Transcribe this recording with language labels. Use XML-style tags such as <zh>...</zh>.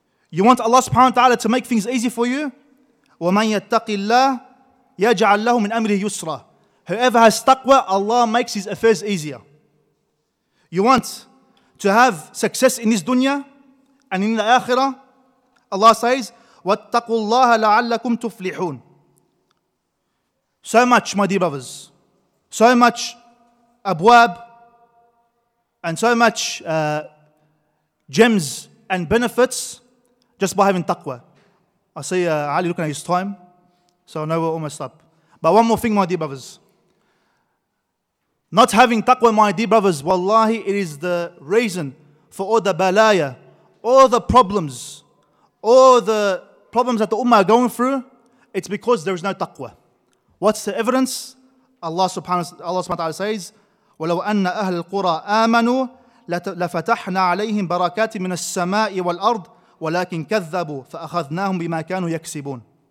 <en>You want Allah subhanahu wa ta'ala to make things easy for you?</en> <ar>وَمَن يَتَّقِ اللَّهِ يَجْعَلْ لَهُ مِنْ أَمْرِهِ يُسْرًا.</ar> <en>Whoever has taqwa, Allah makes his affairs easier. You want to have success in this dunya and in the akhirah? Allah says,</en> <ar>وَاتَّقُوا اللَّهَ لَعَلَّكُمْ تُفْلِحُونَ.</ar> <en>So much, my dear brothers, so much abwab and so much gems and benefits just by having taqwa. I see Ali looking at his time, so I know we're almost up. But one more thing, my dear brothers. Not having taqwa, my dear brothers, wallahi, it is the reason for all the balaya, all the problems that the ummah are going through. It's because there is no taqwa. What's the evidence? Allah subhanahu wa ta'ala says,</en> <ar>وَلَوْ أَنَّ أَهْلَ الْقُرَىٰ آمَنُوا لَفَتَحْنَا عَلَيْهِمْ بَرَكَاتٍ مِنَ السَّمَاءِ وَالْأَرْضِ وَلَكِنْ كَذَّبُوا فَأَخَذْنَاهُمْ بِمَا كَانُوا يَكْسِبُونَ.</ar>